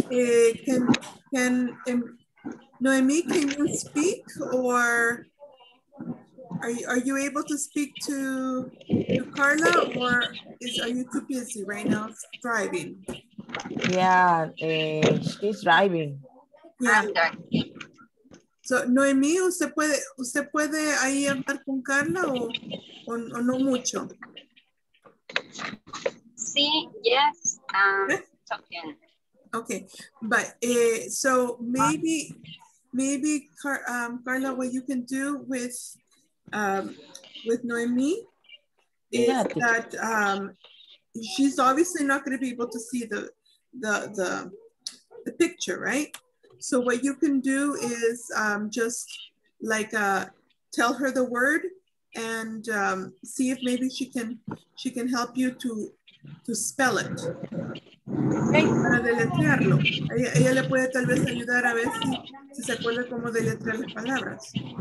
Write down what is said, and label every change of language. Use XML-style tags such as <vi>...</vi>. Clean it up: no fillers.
<en>Can Noemi, can you speak or are you able to speak to Carla or are you too busy right now driving? Yeah, she's driving. Yeah. I'm driving.</en> <es>So, Noemí, usted puede ahí hablar con Carla o no mucho? Sí,</es> <en>yes, talking. Okay, but so maybe Carla, what you can do with Noemí is that she's obviously not going to be able to see the picture, right? So what you can do is just like tell her the word and see if maybe she can help you to spell it. Okay.</en> <es>Para deletrearlo. Ella le puede tal vez ayudar a ver si se acuerda cómo deletrear las palabras.</es>